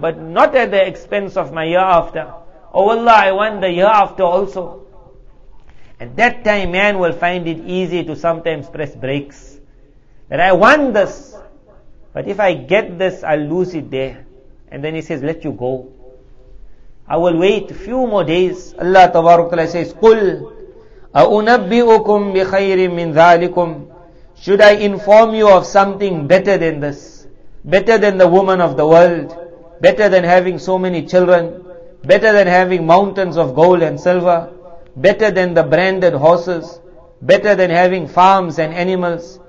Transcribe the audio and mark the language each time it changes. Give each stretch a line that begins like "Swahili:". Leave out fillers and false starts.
English: But not at the expense of my year after. Oh Allah, I want the year after also. At that time, man will find it easy to sometimes press brakes. That I want this. But if I get this, I'll lose it there. And then he says, let you go. I will wait a few more days. Allah Ta'ala says,
Arabic: قُلْ أَأُنَبِّئُكُمْ بِخَيْرٍ مِّنْ ذَٰلِكُمْ.
English: Should I inform you of something better than this? Better than the woman of the world, better than having so many children, better than having mountains of gold and silver, better than the branded horses, better than having farms and animals,